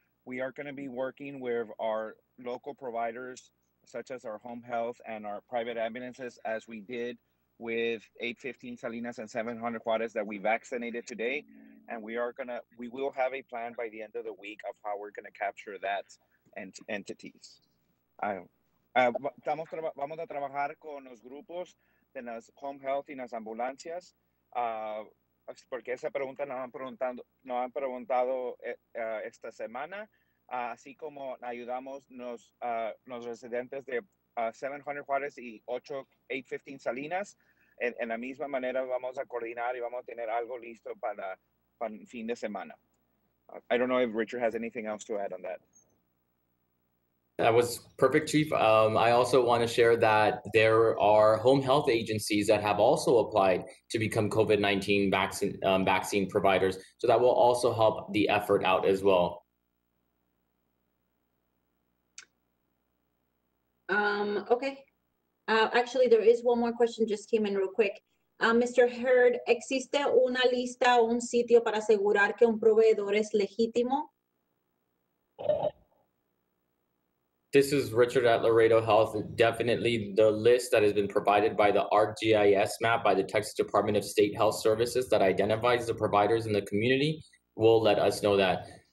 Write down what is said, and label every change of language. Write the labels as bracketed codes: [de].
[en] We are going to be working with our local providers, such as our home health and our private ambulances, as we did with 815 Salinas and 700 Juarez that we vaccinated today. And we will have a plan by the end of the week of how we're going to capture that and entities. [es] Vamos a trabajar con los grupos de las home health y las ambulancias. Porque esa pregunta nos han preguntado esta semana, así como ayudamos los residentes de 700 Juárez y 815 Salinas. En la misma manera vamos a coordinar y vamos a tener algo listo para el fin de semana. [en] I don't know if Richard has anything else to add on that. That was perfect, Chief. I also want to share that there are home health agencies that have also applied to become COVID-19 vaccine providers. So that will also help the effort out as well. Okay. Actually, there is one more question just came in real quick. Mr. [es] Hurd, ¿existe una lista o un sitio para asegurar que un proveedor es legítimo? [en] This is Richard at Laredo Health. Definitely the list that has been provided by the ArcGIS map by the Texas Department of State Health Services that identifies the providers in the community will let us know that.